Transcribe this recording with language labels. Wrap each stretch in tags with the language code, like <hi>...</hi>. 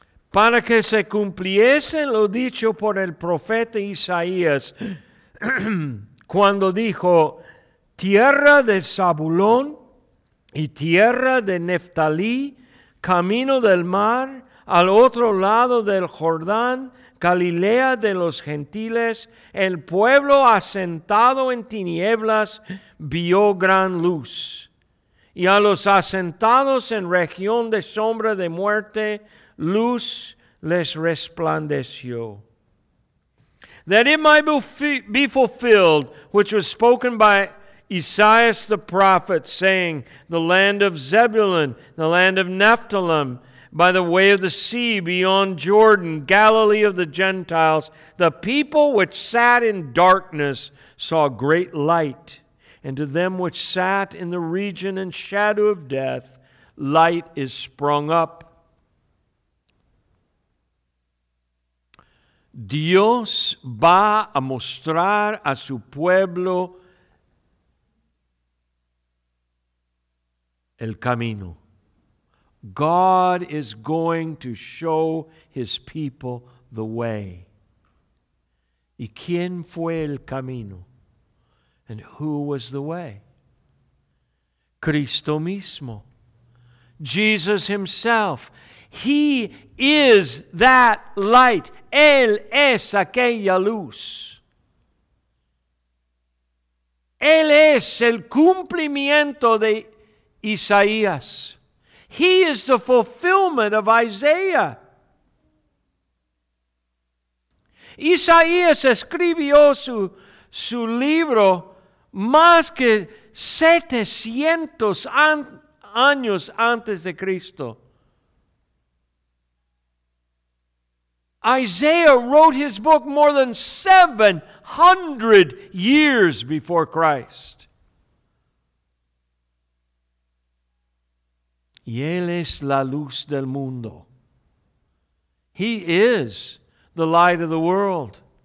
<es>Para que se cumpliese lo dicho por el profeta Isaías, cuando dijo, tierra de Zabulón y tierra de Neftalí, camino del mar, al otro lado del Jordán, Galilea de los gentiles, el pueblo asentado en tinieblas vio gran luz. Y a los asentados en región de sombra de muerte, luz les resplandeció.</es> <en>That it might be fulfilled, which was spoken by Esaias the prophet, saying, the land of Zebulun, the land of Naphtalim, by the way of the sea beyond Jordan, Galilee of the Gentiles, the people which sat in darkness saw great light, and to them which sat in the region and shadow of death, light is sprung up.</en> <es>Dios va a mostrar a su pueblo el camino.</es> <en>God is going to show his people the way.</en> <es>¿Y quién fue el camino?</es> <en>And who was the way?</en> <es>Cristo mismo.</es> <en>Jesus himself. He is that light.</en> <es>Él es aquella luz. Él es el cumplimiento de Isaías.</es> <en>He is the fulfillment of Isaiah.</en> <es>Isaías escribió su libro más que 700 años antes de Cristo.</es> <en>Isaiah wrote his book more than 700 years before Christ.</en> <es>Y él es la luz del mundo.</es> <en>He is the light of the world.</en>